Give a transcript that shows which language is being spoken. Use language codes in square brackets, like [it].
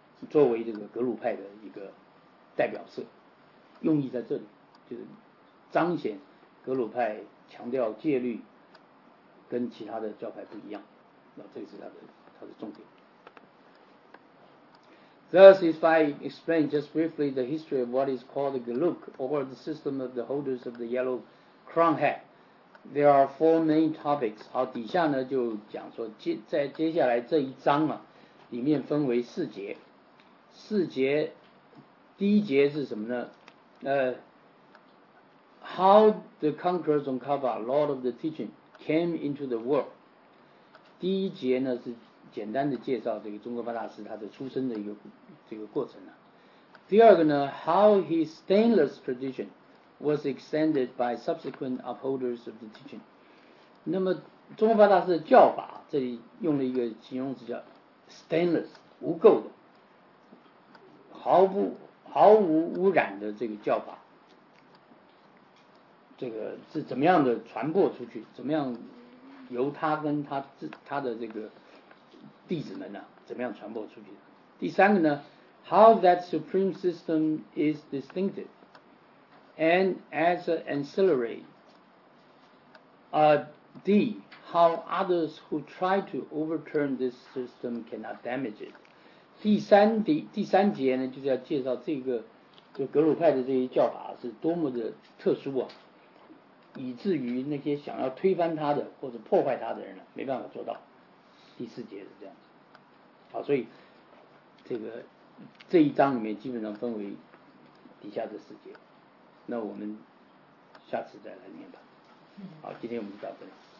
[zh] 作为这个格鲁派的一个代表色，用意在这里，就是彰显格鲁派强调戒律跟其他的教派不一样，那这是他的重点。 [en] Thus, if I explain just briefly the history of what is called the Geluk or the system of the holders of the yellow crown hat, there are four main topics. [zh] 好，底下呢就讲说在接下来这一章啊，里面分为四节。四节，第一节是什么呢？ [en] How the conqueror Tsongkhapa, Lord of the Teaching, came into the world. [zh] 第一节呢是简单的介绍这个宗喀巴大师他的出生的一个这个过程啊。第二个呢 [en] ，How his stainless tradition was extended by subsequent upholders of the teaching. [zh] 那么宗喀巴大师的教法，这里用了一个形容词叫 stainless， 无垢的。毫无污染的这个教法，这个是怎么样的传播出去？怎么样由他跟他的这个弟子们呢、啊？怎么样传播出去？第三个呢 [en] ？How that supreme system is distinctive and as an ancillary. D. How others who try to overturn this system cannot damage it. [zh] 第三节呢，就是要介绍这个，就格鲁派的这些教法是多么的特殊啊，以至于那些想要推翻他的或者破坏他的人呢，没办法做到。第四节是这样子。好，所以这个这一章里面基本上分为底下这四节，那我们下次再来念吧。好，今天我们就到这里。